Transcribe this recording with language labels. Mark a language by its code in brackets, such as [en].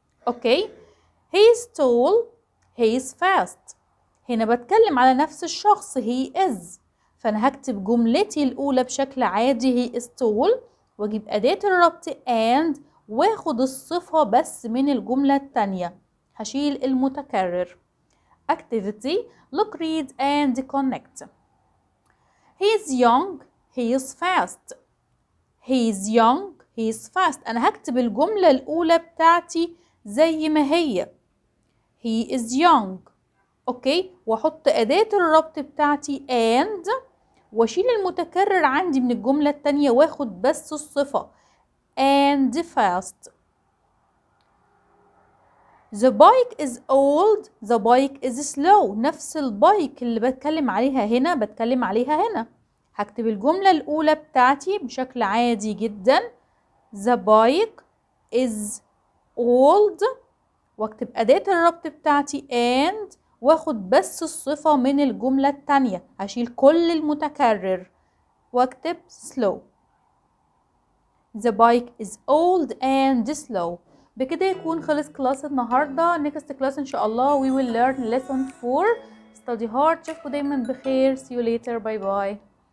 [en] okay، he's tall، he's fast. [ar] هنا بتكلم على نفس الشخص، he is، فانا هكتب جملتي الاولى بشكل عادي [en] he is tall، [ar] واجيب اداة الربط and، واخد الصفة بس من الجملة التانية، هشيل المتكرر. [en] activity look read and connect. he's young، he's fast. he's young، he's fast. [ar] انا هكتب الجملة الاولى بتاعتي زي ما هي، [en] he is young. [ar] اوكي، واحط اداة الربط بتاعتي and، واشيل المتكرر عندي من الجملة التانية، واخد بس الصفة [en] and fast. the bike is old، the bike is slow. [ar] نفس البايك اللي بتكلم عليها هنا بتكلم عليها هنا، هكتب الجملة الأولى بتاعتي بشكل عادي جدا، [en] the bike is old، [ar] واكتب أداة الربط بتاعتي and، واخد بس الصفة من الجملة التانية، هشيل كل المتكرر، واكتب slow. [en] the bike is old and slow. [ar] بكده يكون خلص كلاس النهاردة. [en] next class [ar] إن شاء الله [en] we will learn lesson 4. study hard، [ar] شوفوا دايما بخير. [en] see you later، bye bye.